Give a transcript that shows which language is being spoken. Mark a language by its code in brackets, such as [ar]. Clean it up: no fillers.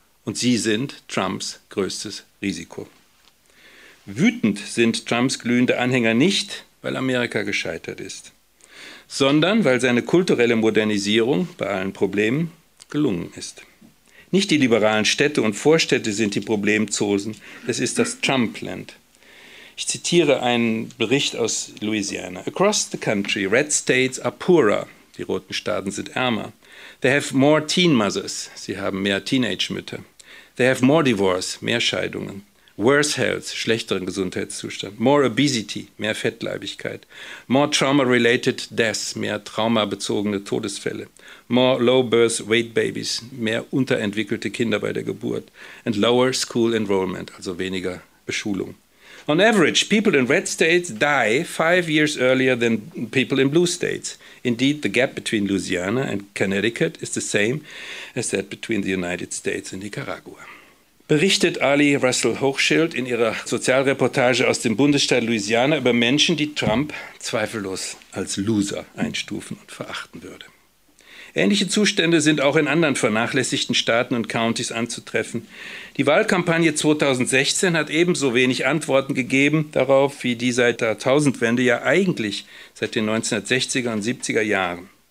[de] Und sie sind Trumps größtes Risiko. Wütend sind Trumps glühende Anhänger nicht, weil Amerika gescheitert ist, sondern weil seine kulturelle Modernisierung bei allen Problemen gelungen ist. Nicht die liberalen Städte und Vorstädte sind die Problemzosen, es ist das Trumpland. Ich zitiere einen Bericht aus Louisiana. [en] Across the country, red states are poorer. [de] Die roten Staaten sind ärmer. [en] They have more teen mothers. [de] Sie haben mehr Teenage-Mütter. [en] They have more divorce, [de] mehr Scheidungen. [en] Worse health, [de] schlechteren Gesundheitszustand. [en] More obesity, [de] mehr Fettleibigkeit. [en] More trauma-related deaths, [de] mehr traumabezogene Todesfälle. [en] More low-birth-weight babies, [de] mehr unterentwickelte Kinder bei der Geburt. [en] And lower school enrollment, [de] also weniger Beschulung. [en] On average, people in red states die 5 years earlier than people in blue states. Indeed, the gap between Louisiana and Connecticut is the same as that between the United States and Nicaragua. [de] Berichtet Ali Russell Hochschild in ihrer Sozialreportage aus dem Bundesstaat Louisiana über Menschen, die Trump zweifellos als Loser einstufen und verachten würde. Ähnliche Zustände sind auch in anderen vernachlässigten Staaten und Countys anzutreffen. Die Wahlkampagne 2016 hat ebenso wenig Antworten gegeben darauf, wie die seit der Jahrtausendwende ja eigentlich seit den 1960er und 70er Jahren.